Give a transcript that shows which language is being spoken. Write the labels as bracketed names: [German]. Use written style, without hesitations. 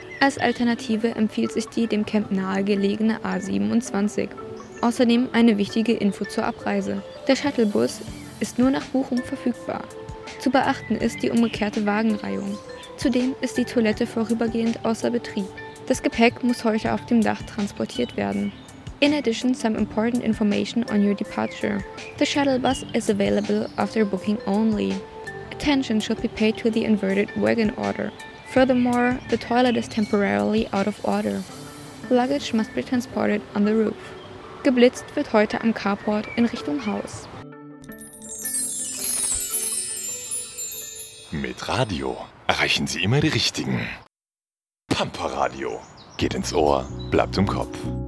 [German] Als Alternative empfiehlt sich die dem Camp nahegelegene A27. Außerdem eine wichtige Info zur Abreise. Der Shuttlebus ist nur nach Buchung verfügbar. Zu beachten ist die umgekehrte Wagenreihung. Zudem ist die Toilette vorübergehend außer Betrieb. Das Gepäck muss heute auf dem Dach transportiert werden. [English] In addition, some important information on your departure. The shuttle bus is available after booking only. Attention should be paid to the inverted wagon order. Furthermore, the toilet is temporarily out of order. Luggage must be transported on the roof. [German] Geblitzt wird heute am Carport in Richtung Haus. Mit Radio erreichen Sie immer die Richtigen. Pamparadio. Geht ins Ohr, bleibt im Kopf.